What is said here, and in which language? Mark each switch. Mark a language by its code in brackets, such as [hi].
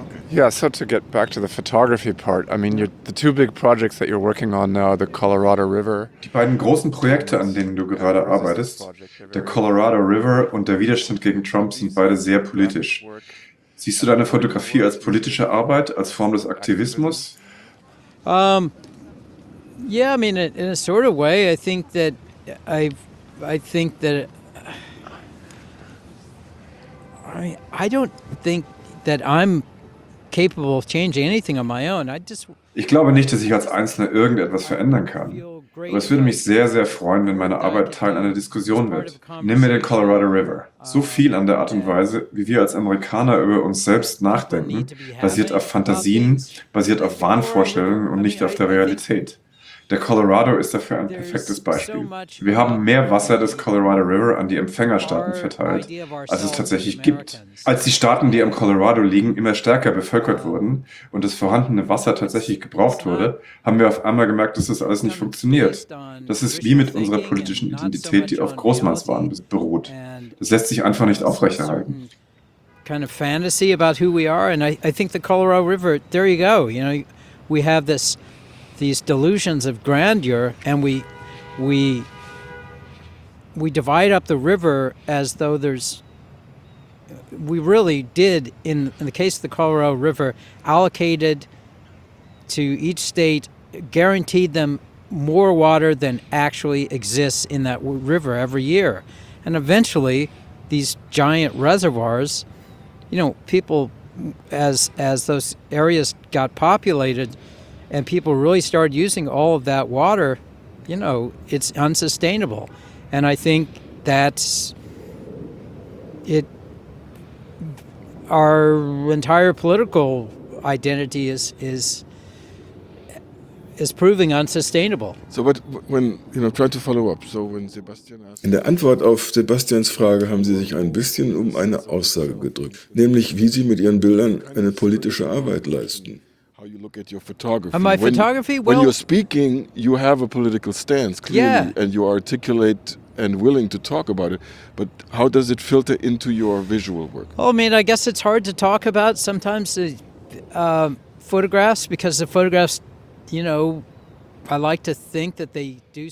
[en] Yeah, so to get back to the photography part, I mean, the two big projects that you're working on now, the Colorado River. [de] Die beiden großen Projekte, an denen du gerade arbeitest, der Colorado River und der Widerstand gegen Trump, sind beide sehr politisch. Siehst du deine Fotografie als politische Arbeit, als Form des Aktivismus? [en] Yeah, I mean, in a sort of way, I don't think that I'm capable of changing anything on my own. [de] Ich glaube nicht, dass ich als Einzelner irgendetwas verändern kann. Aber es würde mich sehr, sehr freuen, wenn meine Arbeit Teil einer Diskussion wird. Nimm mir den Colorado River. So viel an der Art und Weise, wie wir als Amerikaner über uns selbst nachdenken, basiert auf Fantasien, basiert auf Wahnvorstellungen und nicht auf der Realität. Der Colorado ist dafür ein perfektes Beispiel. Wir haben mehr Wasser des Colorado River an die Empfängerstaaten verteilt, als es tatsächlich gibt. Als die Staaten, die am Colorado liegen, immer stärker bevölkert wurden und das vorhandene Wasser tatsächlich gebraucht wurde, haben wir auf einmal gemerkt, dass das alles nicht funktioniert. Das ist wie mit unserer politischen Identität, die auf Großmannswahn beruht. Das lässt sich einfach nicht aufrechterhalten. [en] Kind of fantasy about who we are, and I think the Colorado River, there you go, you know, we have this these delusions of grandeur, and we divide up the river as though there's, we really did, in the case of the Colorado River, allocated to each state, guaranteed them more water than actually exists in that river every year. And eventually, these giant reservoirs, you know, people, as those areas got populated and people really started using all of that water, you know, it's unsustainable. And I think that's it. Our entire political identity is proving unsustainable. So, but when, you know, try to follow up. So when Sebastian asked, [de] in der Antwort auf Sebastians Frage haben Sie sich ein bisschen um eine Aussage gedrückt, nämlich wie Sie mit Ihren Bildern eine politische Arbeit leisten. [en] How you look at your photography. My photography? When you're speaking, you have a political stance clearly, yeah. And you articulate and willing to talk about it, but how does it filter into your visual work? Well, I mean, I guess it's hard to talk about sometimes the photographs, because the photographs, you know, I like to think that they do.